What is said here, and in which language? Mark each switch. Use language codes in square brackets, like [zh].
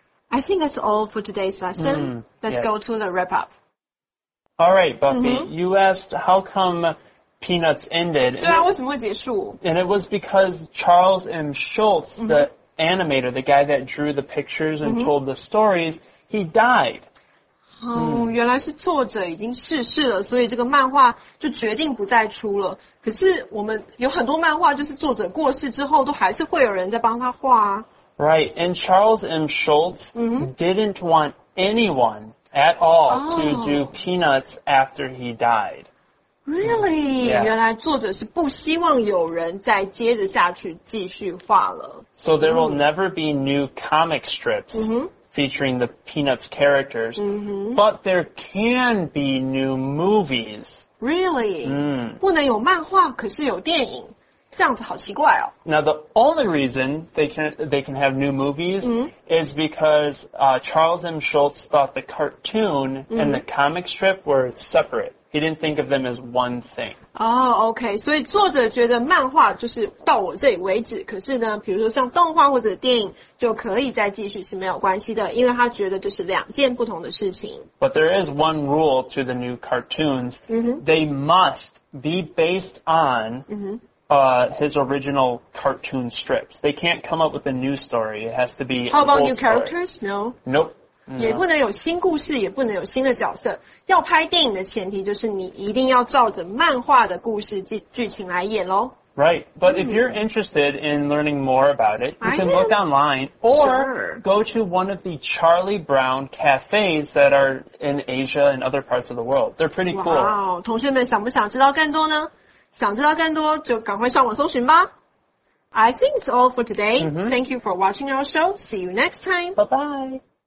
[en] I think that's all for today's lesson. Let's go to the wrap up. All right, Buffy, you asked how comePeanuts ended. [zh] 对啊，为什么会结束 [en] ？And it was because Charles M. Schulz, the animator, the guy that drew the pictures and told the stories, he died. [zh] Oh, 原来是作者已经逝世了，所以这个漫画就决定不再出了。可是我们有很多漫画就是作者过世之后都还是会有人在帮他画啊。 [en] Right, and Charles M. Schulz didn't want anyone at all to do Peanuts after he died. Really? Yeah. [zh] 原来作者是不希望有人再接着下去继续画了。 [en] So there will never be new comic strips featuring the Peanuts characters, but there can be new movies. Really? [zh] 不能有漫画，可是有电影，这样子好奇怪哦。 [en] Now the only reason they can have new movies is because Charles M. Schulz thought the cartoon and the comic strip were separate. He didn't think of them as one thing. Oh, okay. [zh] 所以作者觉得漫画就是到我这里为止，可是呢，比如说像动画或者电影就可以再继续是没有关系的，因为他觉得就是两件不同的事情。 [en] But there is one rule to the new cartoons. They must be based on his original cartoon strips. They can't come up with a new story. It has to be How about new characters? No. Nope. [zh] 也不能有新故事，也不能有新的角色。要拍电影的前提就是你一定要照着漫画的故事剧情来演咯。 [en] Right, but if you're interested in learning more about it, you can look online or go to one of the Charlie Brown cafes that are in Asia and other parts of the world. They're pretty cool. [zh] Wow, 同学们想不想知道更多呢？想知道更多就赶快上网搜寻吧。 [en] I think it's all for today. Thank you for watching our show. See you next time. Bye-bye.